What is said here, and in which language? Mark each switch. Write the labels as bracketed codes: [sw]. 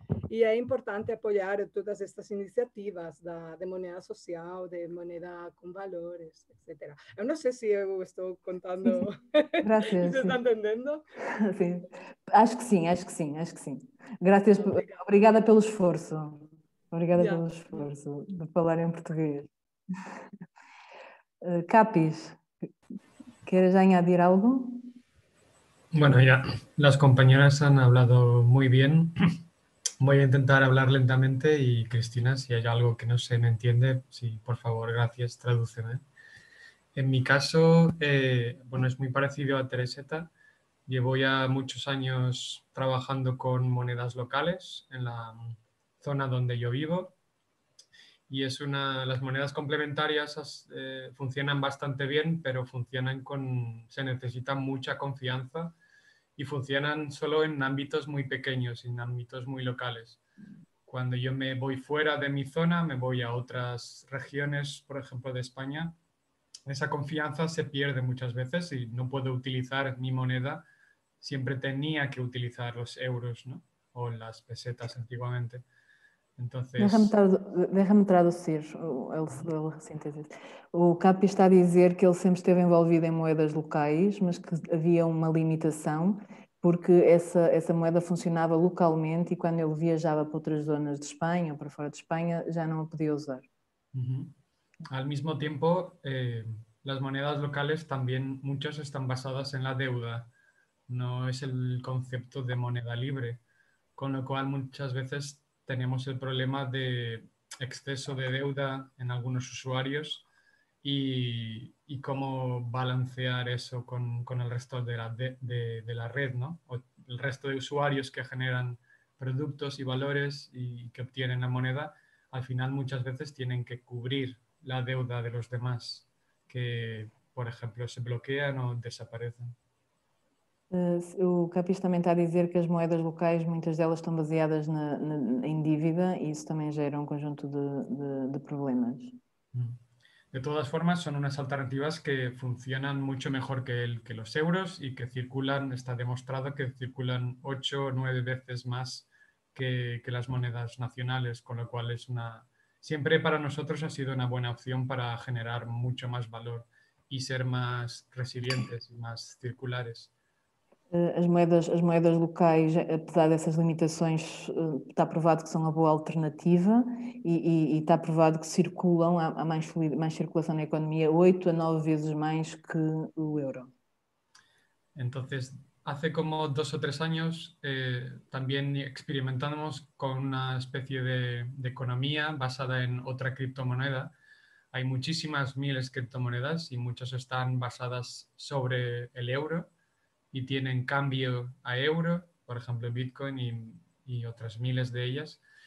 [pt] E é importante apoiar todas estas iniciativas de [es] moneda social, de moneda [pt] com valores, etc. Eu não sei se eu estou contando. [es] Gracias. [pt] Você está entendendo? Sim. Acho que sim. [es] Gracias. [pt] Obrigada pelo esforço. Obrigada pelo esforço de falar em português. [es] Capis, ¿quieres añadir algo? Bueno, ya las compañeras han hablado muy bien. Voy a intentar hablar lentamente y Cristina, si hay algo que no se me entiende, sí, por favor, gracias, tradúceme. En mi caso, bueno, es muy parecido a Tereseta. Llevo ya muchos años trabajando con monedas locales en la zona donde yo vivo. Y es una, las monedas complementarias funcionan bastante bien, pero funcionan con, se necesita mucha confianza y funcionan solo en ámbitos muy pequeños, en ámbitos muy locales. Cuando yo me voy fuera de mi zona, me voy a otras regiones, por ejemplo, de España, esa confianza se pierde muchas veces y no puedo utilizar mi moneda. Siempre tenía que utilizar los euros, ¿no? O las pesetas antiguamente. Entonces... Déjame traducir el síntesis. [pt] O Capi está a dizer que ele sempre esteve envolvido em moedas locais, mas que havia uma limitação, porque essa moeda funcionava localmente e quando ele viajava para outras zonas de Espanha ou para fora de Espanha, já não a podia usar. [es] Al mismo tiempo, las monedas locales también, muchas están basadas en la deuda. No es el concepto de moneda libre. Con lo cual, muchas veces tenemos el problema de exceso de deuda en algunos usuarios y cómo balancear eso con el resto de la red, ¿no? O el resto de usuarios que generan productos y valores y que obtienen la moneda, al final muchas veces tienen que cubrir la deuda de los demás que, por ejemplo, se bloquean o desaparecen. [pt] O Capis também está a dizer que as moedas locais, muitas delas estão baseadas em dívida e isso também gera um conjunto de problemas. [es] De todas formas, [pt] são umas alternativas que funcionam muito melhor que os euros e que circulam, está demonstrado que circulam 8 ou 9 vezes mais que as moedas nacionais, com o qual é uma... [es] Siempre para nosotros ha sido una buena opción para generar mucho más valor y ser más resilientes y más circulares. [pt] As moedas locais, apesar dessas limitações, está provado que são uma boa alternativa e está provado que circulam, há mais circulação na economia, 8 a 9 vezes mais que o euro. Então, [es] hace como 2 o 3 años también experimentamos con una especie de economía basada en otra criptomoneda. Hay muchísimas miles de criptomonedas y muchas están basadas sobre el euro y tienen cambio a euro, por ejemplo Bitcoin y otras miles de ellas.